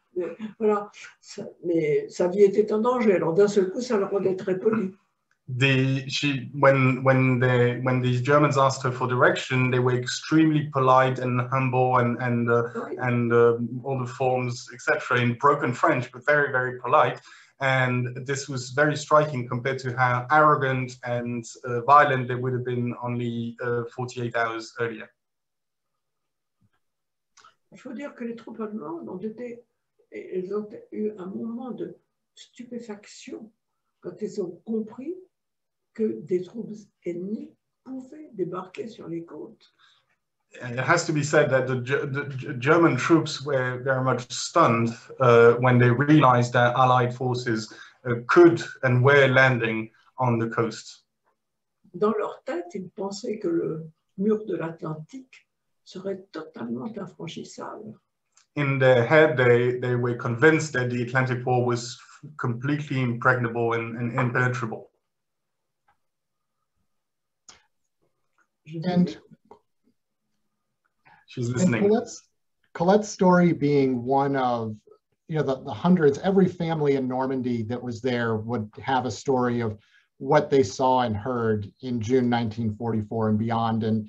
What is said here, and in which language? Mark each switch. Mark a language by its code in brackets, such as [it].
[fr] Mais, voilà, mais sa vie était en danger, alors d'un seul coup ça le rendait très poli. [en] When these Germans asked her for direction, they were extremely polite and humble and all the forms, etc., in broken French, but very, very polite. And this was very striking compared to how arrogant and violent they would have been only 48 hours earlier. [fr] Il faut dire que les troupes allemandes ont eu un moment de stupéfaction quand ils ont compris que des troupes ennemies pouvaient débarquer sur les côtes. [en] It has to be said that the German troops were very much stunned when they realized that Allied forces could and were landing on the coast. [fr] dans leur tête, ils pensaient que le mur de l'Atlantique serait totalement infranchissable. [en] In their head, they were convinced that the Atlantic wall was completely impregnable and impenetrable. And she's listening. And Colette's story being one of, you know, the hundreds, every family in Normandy that was there would have a story of what they saw and heard in June 1944 and beyond.